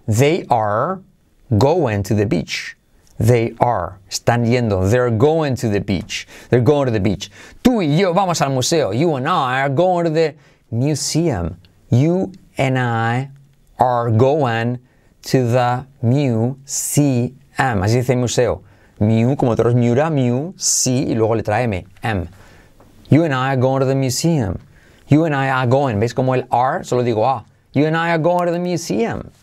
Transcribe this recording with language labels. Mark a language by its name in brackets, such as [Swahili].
[English] They are going to the beach. They are, [Spanish] están yendo, [English] they're going to the beach. They're going to the beach. [Spanish] Tú y yo vamos al museo, [English] you and I are going to the museum. You and I are going to the museum. [Spanish] Así dice museo. Mu, como todos, miura, mu, si, y luego letra M, M. [English] You and I are going to the museum. You and I are going. [Spanish] ¿Veis como el R? Solo digo A. Ah. [English] You and I are going to the museum.